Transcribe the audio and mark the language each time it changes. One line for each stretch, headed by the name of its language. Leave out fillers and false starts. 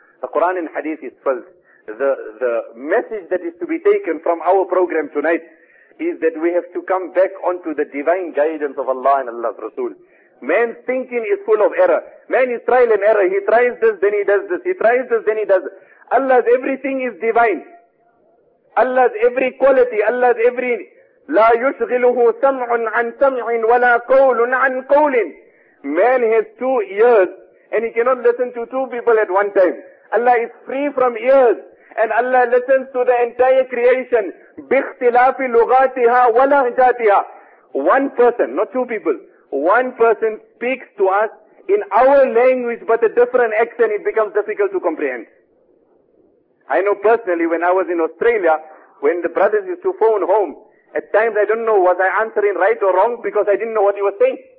English: The Quran and Hadith is filled. The message that is to be taken from our program tonight is that we have to come back onto the divine guidance of Allah and Allah's Rasul. Man's thinking is full of error. Man is trial and error. He tries this, then he does this. He tries this, then he does it. Allah's everything is divine. Allah's every quality, Allah's every...
Arabic: لا يشغله سمع عن سمع ولا قول عن قول.
English: Man has two ears and he cannot listen to two people at one time. Allah is free from ears and Allah listens to the entire creation.
Arabic: باختلاف لغاتها ولهجاتها.
English: One person, not two people. One person speaks to us in our language but a different accent, it becomes difficult to comprehend. I know personally when I was in Australia, when the brothers used to phone home, at times I don't know was I answering right or wrong because I didn't know what he was saying.